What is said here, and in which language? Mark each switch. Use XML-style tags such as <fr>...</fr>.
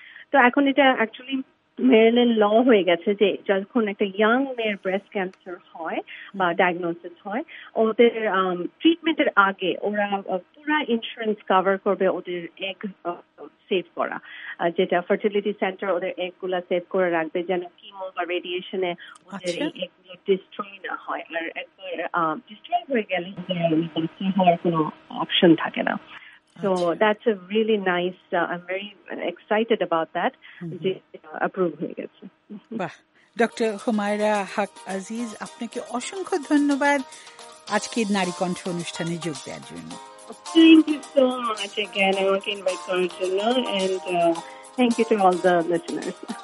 <bn>তো এখন এটা অ্যাকচুয়ালি মেরিল্যান্ড ল হয়ে গেছে যে যখন একটা ইয়াং মেয়ের ব্রেস্ট ক্যান্সার হয় বা ডায়াগনোসিস হয়, ওদের ট্রিটমেন্টের আগে ওরা পুরো ইন্স্যুরেন্স কভার করবে ওদের এগ সেভ করা, যেটা ফার্টিলিটি সেন্টার ওদের এগ গুলা সেভ করে রাখবে যেন কিমো বা রেডিয়েশনে ওদের এগ গুলো ডিস্ট্রয় না হয়, আর একবার ডিস্ট্রয় হয়ে গেলে হওয়ার কোনো অপশন থাকে না।</bn> <en>So that's a really nice, I'm very excited about that, approved</en> <bn>হয়ে গেছে। বাহ, ডক্টর হুমায়রা হক আজিজ, আপনাকে অসংখ্য ধন্যবাদ আজকের নারী কণ্ঠ অনুষ্ঠানে যোগ দেওয়ার জন্য।</bn> <en>Thank you so much again, I want to invite you to know, and thank you to all the listeners.</en>